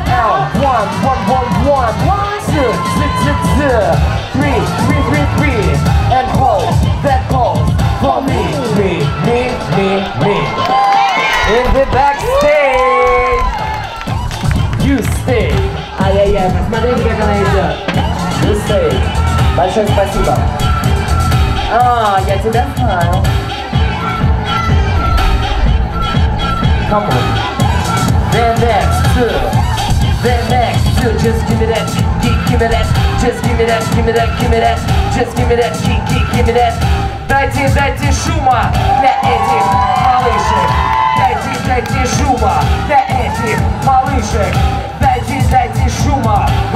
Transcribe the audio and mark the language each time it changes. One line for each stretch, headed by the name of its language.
English: Now one, one, one, one. Two, three, three, three. Three, three, three, three. And hold. That calls for me, me, me, me, me. In the backstage, you stay.
Russian: Ай-яй-яй, посмотрите, как она идет.
English: You stay.
Russian: Большое спасибо. А, я тебя знаю.
English: Come on. The next two. The next two. Just give me that. Give me that, just give me that, give me that, give me that, just give me that, give me that.
Russian: Дайте, дайте шума для этих малышек. Дайте, дайте шума для этих малышек. Дайте, дайте шума.